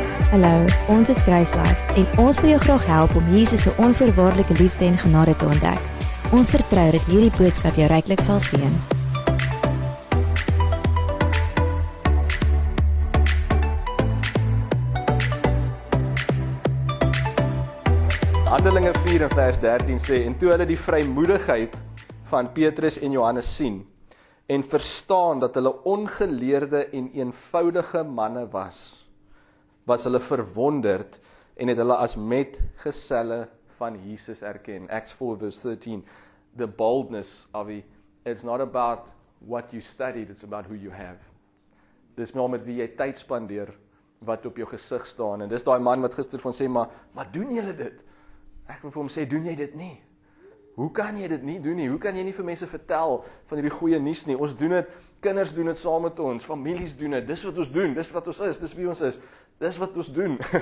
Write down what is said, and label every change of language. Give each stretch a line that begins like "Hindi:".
Afrikaans: Hallo, ons is Kruislag en ons wil jou graag help om Jesus se onvoorwaardelike liefde en genade te ontdek. Ons vertrou dat hierdie boodskap jou ryklik sal seën. Handelinge 4 vers 13 sê en toe hulle die vrymoedigheid van Petrus en Johannes sien en verstaan dat hulle ongeleerde en eenvoudige manne was, was hulle verwonderd en het hulle as metgeselle van Jesus erken.
English: Acts 4 verse 13, the boldness of it's not about what you studied, it's about who you have.
Afrikaans: Dis nou met wie jy tyd spandeer wat op jou gesig staan. En dis daai man wat gister van sê, maar doen julle dit? Ek wil vir hom sê, doen jy dit nie? Hoe kan jy dit nie doen nie? Hoe kan jy nie vir mense vertel van hierdie goeie nuus nie? Ons doen dit, kinders doen dit saam met ons, families doen dit, dis wat ons doen, dis wat ons is, dis wie ons is, dis wat ons doen.